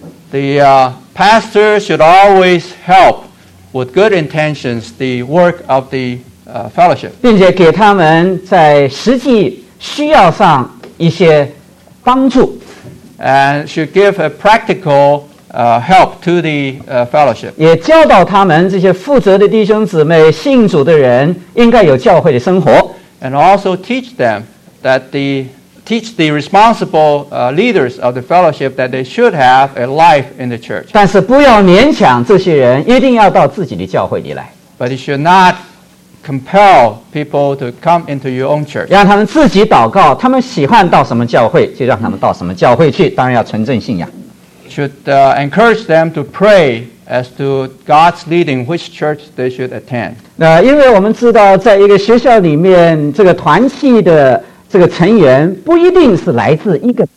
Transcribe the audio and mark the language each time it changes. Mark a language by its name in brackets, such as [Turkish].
[English] The pastor should always help with good intentions the work of the fellowship. [Chinese] 并且给他们在实际需要上一些帮助。 [English] And should give a practical help to the fellowship. [Chinese] 也教导他们这些负责的弟兄姊妹、信主的人应该有教会的生活。 [English] And also teach them that teach the responsible leaders of the fellowship that they should have a life in the church. [Chinese] 但是不要勉强这些人一定要到自己的教会里来。 [English] But you should not compel people to come into your own church. [Chinese] 让他们自己祷告，他们喜欢到什么教会，就让他们到什么教会去。当然要纯正信仰。 [English] Should encourage them to pray as to God's leading which church they should attend. [Chinese] 那因为我们知道，在一个学校里面，这个团契的这个成员不一定是来自一个